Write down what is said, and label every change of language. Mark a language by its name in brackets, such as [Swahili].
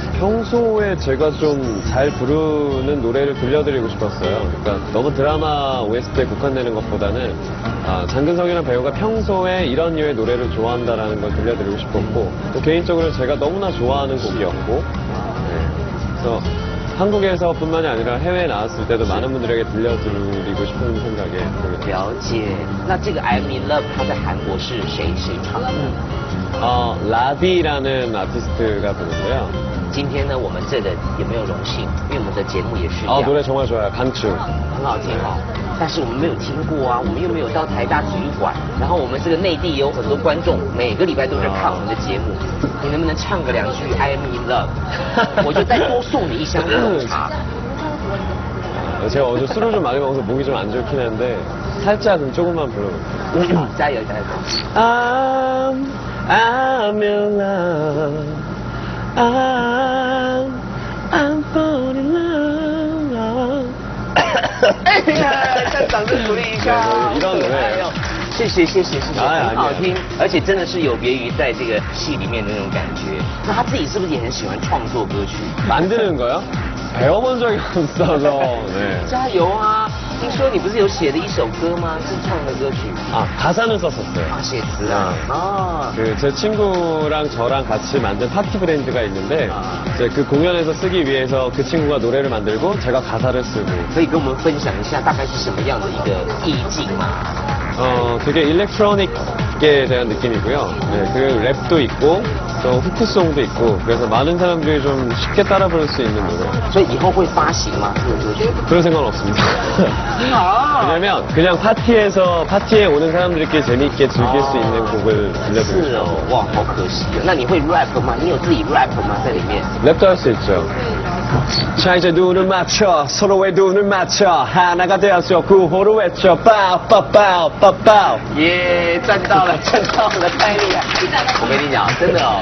[Korean] 평소에제가좀잘부르는노래를들려드리고싶었어요그러니까너무드라마 OST 에국한되는것보다는장근석이라는배우가평소에이런류의노래를좋아한다라는걸들려드리고싶었고또개인적으로제가너무나좋아하는곡이었고그래서한국에서뿐만이아니라해외에나왔을때도많은분들에게들려드리고싶은생각에 [Chinese] 了解那这个 I'm in love 它在韩国是谁唱的 [Korean] 라디라는아티스트가부르고요 [Chinese] 今天呢我们这个也没有荣幸因为我们的节目也是 [Korean] 노래정말좋아요강추 [Chinese] 很好听哦但是我们没有听过啊我们又没有到台大体育馆然后我们这个内地也有很多观众每个礼拜都在看我们的节目你能不能唱个两句 I'm in love 我就再多送你一箱乌龙茶 [Korean] 제가어제술을좀많이먹어서목이좀안좋긴한데살짝은조금만불러볼게요 자요자요 [English] I'm in love I'm falling in love [Chinese] 哎呀再掌声鼓励一下一道努力谢谢很好听而且真的是有别于在这个戏里面的那种感觉那他自己是不是也很喜欢创作歌曲 [Korean] 만드는거야배워본적이없어서네 [Chinese] 加油啊听说你不是有写的一首歌吗是唱的歌曲 [Korean] 가사는썼었어요 [Chinese] 아写词啊 [Korean] 그제친구랑저랑같이만든파티브랜드가있는데제그공연에서쓰기위해서그친구가노래를만들고제가가사를쓰고 [Chinese] 可以跟我们分享一下大概是什么样的一个意境吗 [Korean] 되게일렉트로닉 업계에 대한 느낌이고요. 네, 그 랩도 있고 또 후크송도 있고 그래서 많은 사람들이 좀 쉽게 따라 부를 수 있는 노래. 그래서 이거 파시마 그런 생각은 없습니다. 왜냐면 그냥 파티에서 파티에 오는 사람들끼리 재미있게 즐길 수 있는 곡을 들려드리고 싶어요. 와, 好 可惜요. 나 너희 랩마? 너희 自己 랩마? 在里面. 랩도 할 수 있죠. 자 이제 눈을 맞춰 서로의 눈을 맞춰 하나가 되었어 구호를 외쳐 빠빠빠빠빠 예 짠 [Chinese] 到了太厉害我跟你讲真的